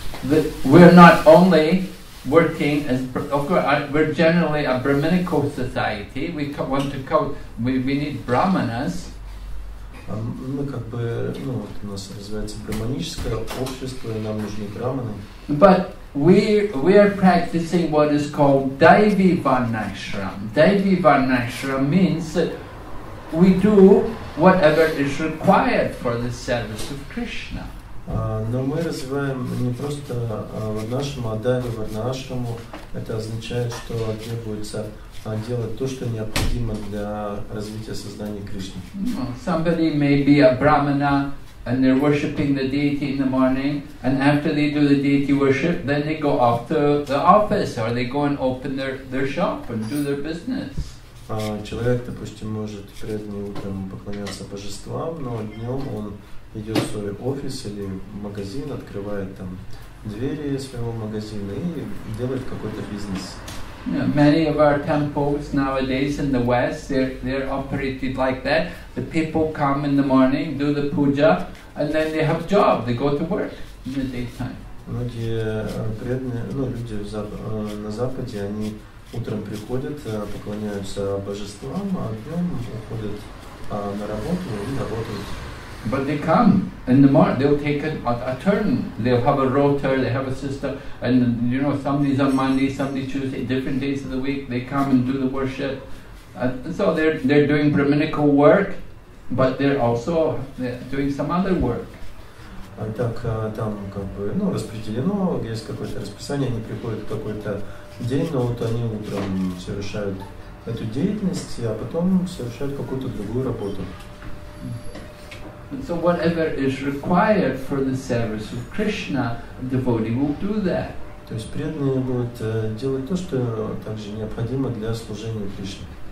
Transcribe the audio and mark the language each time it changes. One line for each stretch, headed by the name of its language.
English: That we're not only working as, we're generally a brahminical society. We want to come. We need brahmanas.
Russian: Мы как бы, ну вот у нас развивается брахманическое общество, и нам нужны брахманы.
English: But we are practicing what is called daivivarnashram. Daivivarnashram means that we do whatever is required for the service of Krishna.
Russian: Но мы развиваем не просто варнашраму, а дайви варнашраму. Это означает, что требуется делать то, что необходимо для развития сознания Кришны.
English: Somebody may be a brahmana and they're worshipping the deity in the morning, and after they do the deity worship, then they go off to the office, or they go and open their shop and do their business.
Russian: Человек, допустим, может преданным утром поклоняться божествам, но днем он идет в свой офис или магазин, открывает там двери своего магазина и делает какой-то бизнес.
English: Many of our temples nowadays in the West, they're operated like that. The people come in the morning, do the puja, and then they have a job. They go to work in the daytime.
Russian: Многие преданные, ну люди на Западе, они утром приходят, поклоняются божествам, а днем уходят на работу и работают.
English: But they come in the morning. They'll take a turn. They'll have a rota. They have a system. And you know, some days on Monday, some days Tuesday, different days of the week, they come and do the worship. So they're doing brahminical work, but they're also doing some other work.
Russian: Так там как бы ну распределено есть какое-то расписание. Они приходят какой-то день, но вот они утром совершают эту деятельность, а потом совершают какую-то другую работу.
English: And so whatever is required for the service of Krishna, a devotee will do that.
Russian: То есть преданные будут делать то, что также необходимо для служения Кришне.